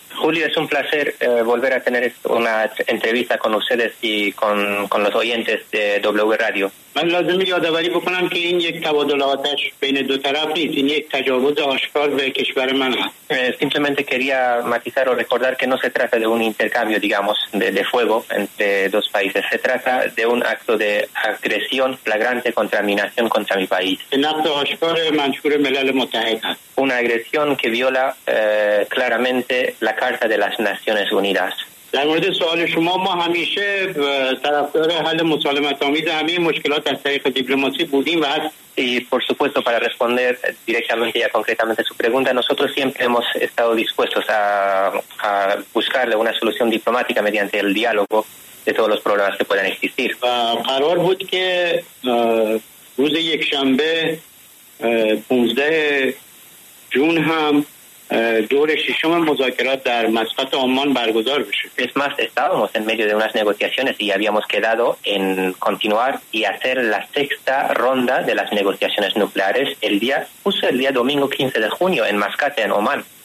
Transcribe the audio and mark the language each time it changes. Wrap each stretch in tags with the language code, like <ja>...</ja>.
<es>Julio, es un placer volver a tener una entrevista con ustedes y con los oyentes de W Radio.</es> <fa>من لازم یادآوری بکنم که این یک تبادل آتش بین دو طرف نیست، این یک تجاوز آشکار به کشور من است.</fa> <es>Simplemente quería matizar o recordar que no se trata de un intercambio, digamos, de fuego entre dos países. Se trata de un acto de agresión flagrante contra mi nación, contra mi país. Un acto</es> <fa>آشکار منشور ملل متحد است.</fa> <es>Una agresión que viola claramente la Carta de las Naciones Unidas.</es> <fa>در مورد سوال شما ما همیشه طرفدار حل مسالمت‌آمیز همه مشکلات از طریق دیپلماسی بودیم و هست.</fa> <es>Y por supuesto, para responder directamente ya concretamente su pregunta, nosotros siempre hemos estado dispuestos a buscarle una solución diplomática mediante el diálogo de todos los problemas que puedan existir.</es> <fa>قرار بود که روز یک شنبه 15 جون هم دور ششم مذاکرات در مسقط عمان برگزار بشه.</fa> <es>Es más, estábamos en medio de unas negociaciones y habíamos quedado en continuar y hacer la sexta ronda de las negociaciones nucleares el día domingo 15 de junio en Mascate, en Oman.</es>